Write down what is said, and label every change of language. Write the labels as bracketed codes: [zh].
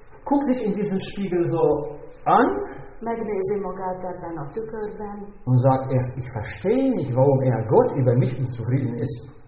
[de] Guck sich in diesem Spiegel so an. [hu] Megnézi magát ebben a tükörben. [de] Und sagt er, ich verstehe nicht, warum er Gott über mich unzufrieden ist.